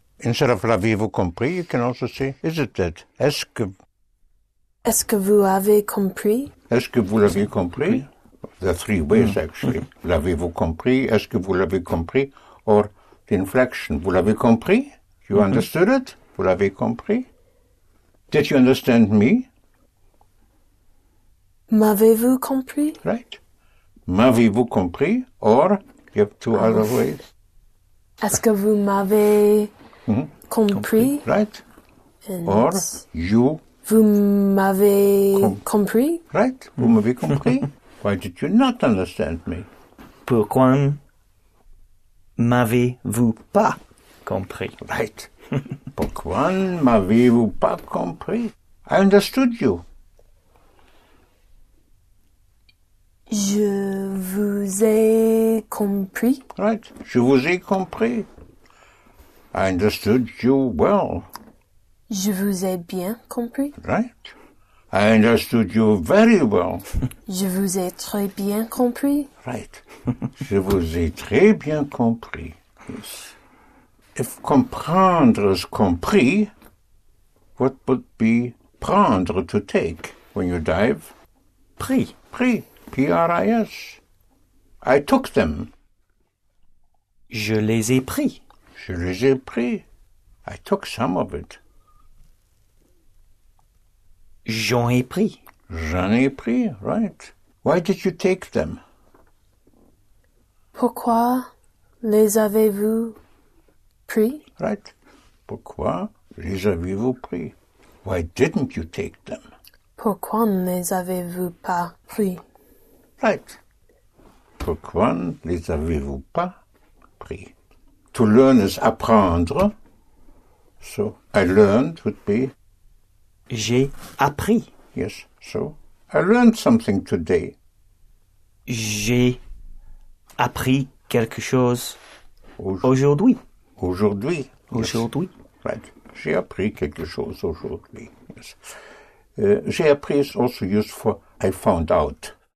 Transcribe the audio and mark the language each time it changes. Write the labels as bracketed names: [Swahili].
[English] Instead of [French] l'avez-vous compris, [English] you can also say, is it that? [French] Est-ce que vous avez compris? Est-ce que vous l'avez compris? [English] There are three ways, actually. [French] L'avez-vous compris? Est-ce que vous l'avez compris? [English] Or the inflection. [French] Vous l'avez compris? [English] You understood it? Vous l'avez compris? Did you understand me? [French] M'avez-vous compris? Right. M'avez-vous compris? [English] Or you have two other ways. [French] Est-ce que vous m'avez compris? [English] Right. And or you. [French] Vous m'avez compris? Right. Vous m'avez compris? [English] Why did you not understand me? [French] Pourquoi m'avez-vous pas compris? [English] Right. [French] Pourquoi m'avez-vous pas compris? [English] I understood you. [French] Je vous ai compris. [English] Right. [French] Je vous ai compris. [English] I understood you well. [French] Je vous ai bien compris. [English] Right. I understood you very well. [French] Je vous ai très bien compris. [English] Right. [French] Je vous ai très bien compris. [English] Yes. If comprendre is compris, what would be prendre to take when you dive? [French] Pris. [English] Pris. P-R-I-S. I took them. [French] Je les ai pris. Je les ai pris. [English] I took some of it. [French] J'en ai pris. J'en ai pris, [English] right. Why did you take them? [French] Pourquoi les avez-vous pris? [English] Right. [French] Pourquoi les avez-vous pris? [English] Why didn't you take them? [French] Pourquoi ne les avez-vous pas pris? [English] Right. [French] Pourquoi ne les avez-vous pas pris? [English] To learn is apprendre. So, I learned would be... [French] J'ai appris. [English] Yes. So, I learned something today. [French] J'ai appris quelque chose aujourd'hui. Aujourd'hui. Yes. Aujourd'hui. [English] Right. [French] J'ai appris quelque chose aujourd'hui. [English] Yes. [French] J'ai appris [English] is also used for I found out.